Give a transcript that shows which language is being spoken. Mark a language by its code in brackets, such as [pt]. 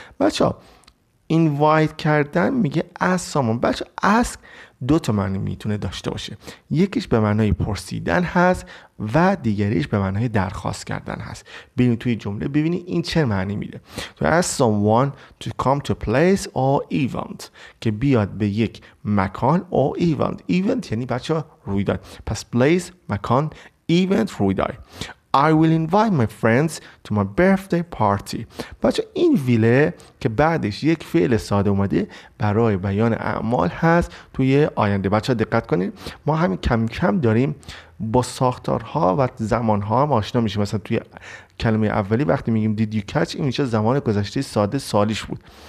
[fa] بچه ها invite کردن میگه [en] ask someone. [fa] بچه ها ask دو تا معنی میتونه داشته باشه. یکیش به معنای پرسیدن هست و دیگریش به معنای درخواست کردن هست. ببینید توی جمله ببینید این چه معنی میده. [en] to ask someone to come to a place or event. [fa] که بیاد به یک مکان or event. event یعنی بچه ها رویداد. پس place، مکان، event، رویداد. [en] I will invite my friends to my birthday party. [fa] بچه این ویله که بعدش یک فعل ساده اومده برای بیان اعمال هست توی آینده. بچه دقت کنید، ما همین کم کم داریم با ساختارها و زمانها هم آشنا میشیم. مثلا توی کلمه اولی وقتی میگیم [en] did you catch، [fa] این میشه زمان گذشته ساده سالیش بود.